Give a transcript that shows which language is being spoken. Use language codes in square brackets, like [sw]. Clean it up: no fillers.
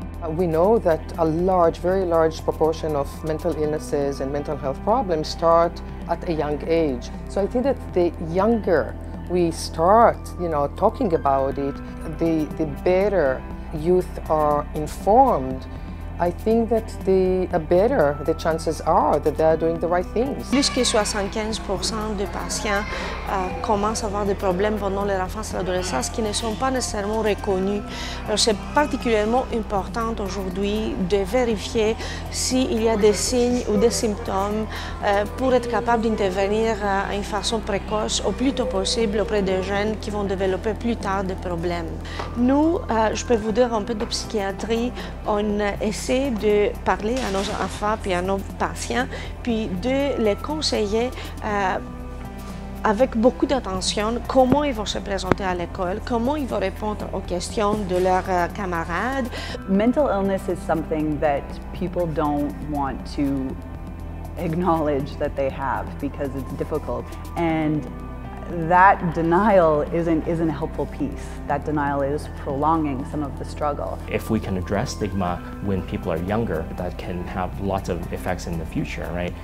[en] We know that a large, very large proportion of mental illnesses and mental health problems start at a young age. So I think that the younger we start, you know, talking about it, the better youth are informed. I think that the better the chances are that they are doing the right things. [fr] Plus que 75% de patients commencent à avoir des problèmes pendant leur enfance et l'adolescence qui ne sont pas nécessairement reconnus. Alors c'est particulièrement important aujourd'hui de vérifier s'il y a des signes ou des symptômes pour être capable d'intervenir d'une façon précoce au plus tôt possible auprès des jeunes qui vont développer plus tard des problèmes. Nous, je peux vous dire un peu de psychiatrie, on essaie de parler à nos enfants puis à nos patients puis de les conseiller avec beaucoup d'attention comment ils vont se présenter à l'école, comment ils vont répondre aux questions de leurs camarades. [en] Mental illness is something that people don't want to acknowledge that they have because it's difficult, and that denial isn't a helpful piece. That denial is prolonging some of the struggle. If we can address stigma when people are younger, that can have lots of effects in the future, right?